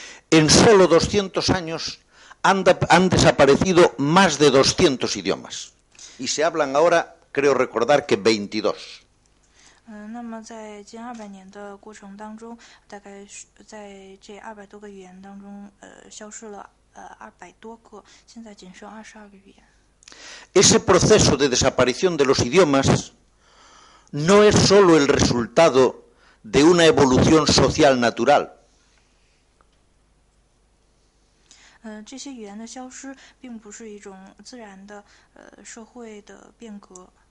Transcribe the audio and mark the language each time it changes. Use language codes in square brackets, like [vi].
[es] En solo 200 años han desaparecido más de 200 idiomas. Y se hablan ahora, creo recordar, que 22. [zh] 那么在近200年的过程当中，大概在这200多个语言当中，消失了200多个，现在仅剩22个语言。 [es] Ese proceso de desaparición de los idiomas no es solo el resultado de una evolución social natural. [zh] 这些语言的消失并不是一种自然的社会的变革。